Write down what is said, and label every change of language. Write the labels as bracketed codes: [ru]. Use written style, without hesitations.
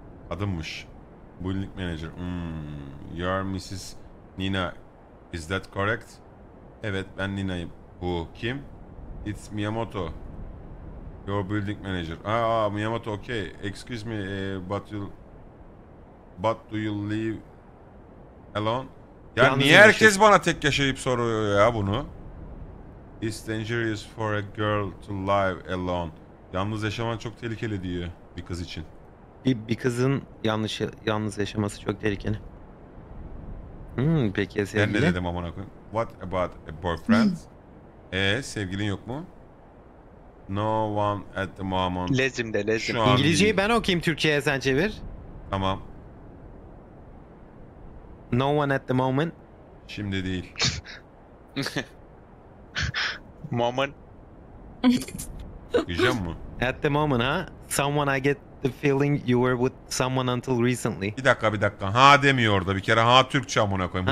[en] Adımmış. Building manager. You're Mrs. Nina. Is that correct? [tr] Evet, ben Nina'yım. Bu kim? [en] It's Miyamoto. Your building manager. Miyamoto, okay. Excuse me, but do you live alone? [tr] Ya yalnız niye herkes şey bana tek yaşayıp soruyor ya bunu? [en] It's dangerous for a girl to live alone. [tr] Yalnız yaşaman çok tehlikeli diyor bir kız için. Bir kızın yalnız yaşaması çok tehlikeli. Peki sevgili. Ben ne dedim amına koyayım? [en] What about a boyfriend? [tr] Sevgilin yok mu? [en] No one at the moment. Lezim de lezim. [tr] İngilizceyi ben okuyayım, Türkçe'ye sen çevir. Tamam. [en] No one at the moment. [tr] Şimdi değil. [en] Moment. [tr] Güzel mi? [en] At the moment ha? Someone I get the feeling you were with someone until recently. [tr] Bir dakika bir dakika. Ha demiyor orada. Bir kere ha Türkçe amına koyayım.